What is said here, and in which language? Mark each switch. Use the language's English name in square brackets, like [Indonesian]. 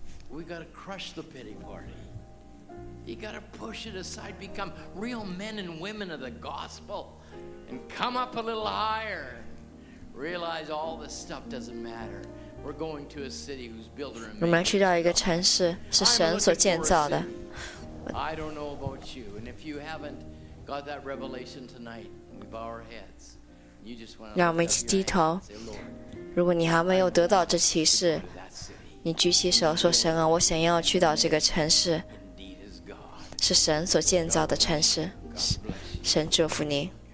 [English] We got to crush the pity party. You got to push it aside, become real men and women of the gospel, and come up a little higher. Realize all this stuff doesn't matter. We're going to a city whose builder and maker. [Chinese] 我们要去到一个城市，是神所建造的。 [English] I don't know about you, and if you haven't got that revelation tonight, we bow our heads. You just want to. [Chinese] 让我们一起低头。如果你还没有得到这启示，你举起手说：“神啊，我想要去到这个城市，是神所建造的城市。” 神祝福你。